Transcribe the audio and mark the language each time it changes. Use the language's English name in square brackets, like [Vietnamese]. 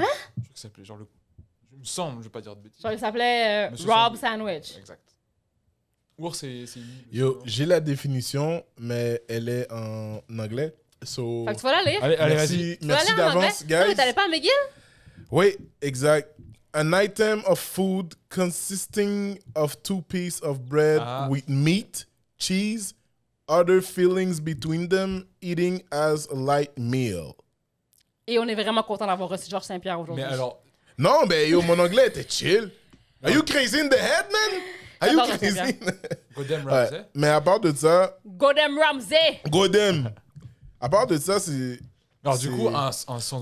[French] Je crois que ça s'appelait genre le. Je me semble, je vais pas dire de bêtises. Genre, il s'appelait Rob Sandwich. Exact. Ours, c'est... Yo, j'ai la définition, mais elle est en anglais. [English] So... [French] Fait que tu vas l'aller. Allez, merci, vas-y. Merci d'avance, guys. Mais t'allais pas à McGill? Oui, exact. [English] An item of food consisting of two pieces of bread with meat, cheese, other fillings between them, eating as a light meal. [French] Et on est vraiment content d'avoir reçu Georges Saint-Pierre aujourd'hui. Mais alors... Non, mais yo, mon anglais était chill. [English] Are you crazy in the head, man? Are you crazy? Goddamn Ramsey. Ouais. [French] Mais à part de ça. [English] Goddamn Ramsey. [French] Goddamn. À part de ça, c'est. Alors, c'est... du coup, en sans